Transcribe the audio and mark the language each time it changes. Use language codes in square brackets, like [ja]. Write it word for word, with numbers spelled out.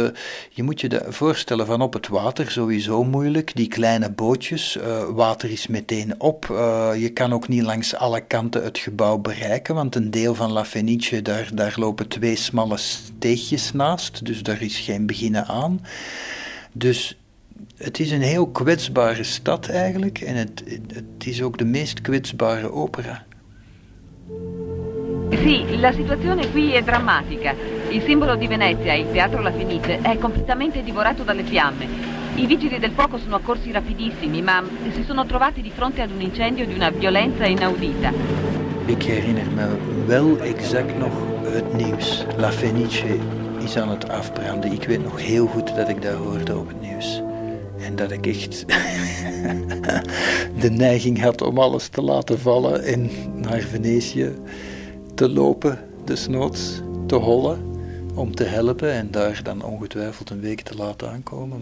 [nl] De, je moet je dat voorstellen, van op het water sowieso moeilijk, die kleine bootjes, uh, water is meteen op, uh, je kan ook niet langs alle kanten het gebouw bereiken, want een deel van La Fenice, daar, daar lopen twee smalle steegjes naast, dus daar is geen beginnen aan. Dus het is een heel kwetsbare stad eigenlijk, en het, het is ook de meest kwetsbare opera. [it] Sì, la situazione qui è drammatica. Il simbolo di Venezia, il Teatro La Fenice, è completamente divorato dalle fiamme. I vigili del fuoco sono accorsi rapidissimi, ma si sono trovati di fronte ad un incendio di una violenza inaudita. [nl] Ik herinner me wel exact nog het nieuws. La Fenice is aan het afbranden. Ik weet nog heel goed dat ik dat hoorde op het nieuws. En dat ik echt de neiging had om alles te laten vallen en naar Venetië te lopen, desnoods, te hollen, om te helpen en daar dan ongetwijfeld een week te laten aankomen.